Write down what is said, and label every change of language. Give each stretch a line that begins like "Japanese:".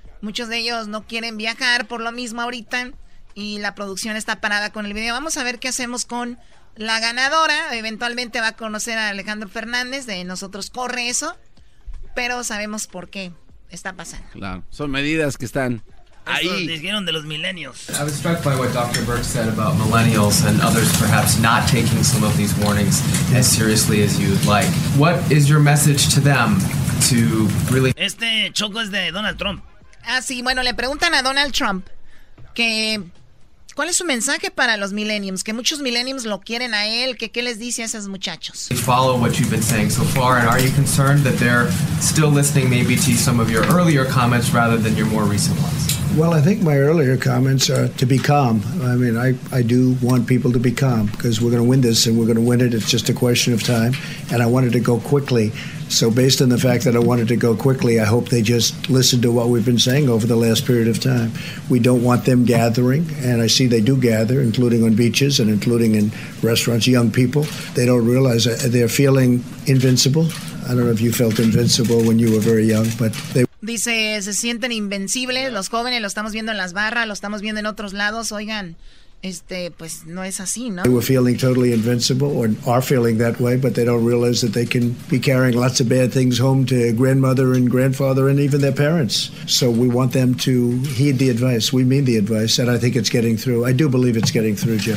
Spanish: muchos de ellos no quieren viajar por lo mismo ahorita y la producción está parada con el video. Vamos a ver qué hacemos con la ganadora. Eventualmente va a conocer a Alejandro Fernández de Nosotros Corre Eso, pero sabemos por qué está pasando. Claro, son medidas que están ahí. Eso dijeron de los millennials.
English: I was struck by what Dr. Burke said about millennials and others perhaps not taking some of these warnings as seriously as you'd like. What is your message to them to really...
Spanish: Este choco es de Donald Trump. Ah, sí, bueno, le preguntan a Donald Trump que... ¿Cuál es su mensaje para los millennials? Que muchos millennials lo quieren a él, que qué les dice a esos muchachos.
English: Follow what you've been saying so far, and are you concerned that they're still listening maybe to some of your earlier comments rather than your more recent ones? Well, I think my earlier comments are to be calm. I mean, I do want people to be calm because we're going to win this and we're going to win it. It's just a question of time, and I wanted to go quickly. So based on the fact that I wanted to go quickly, I hope they just listen to what we've been saying over the last period of time. We don't want them gathering, and I see they do gather, including on beaches and including in restaurants, young people. They don't realize that they're feeling invincible. I don't know if you felt invincible when you were very young, but they...
Spanish: Dice, se sienten invencibles, los jóvenes, lo estamos viendo en las barras, lo estamos viendo en otros lados, oigan... pues no es así, ¿no?
English: They were feeling totally invincible, or are feeling that way, but they don't realize that they can be carrying lots of bad things home to grandmother and grandfather and even their parents. So we want them to heed the advice. We mean the advice, and I think it's getting through. I do believe it's getting through, Jim.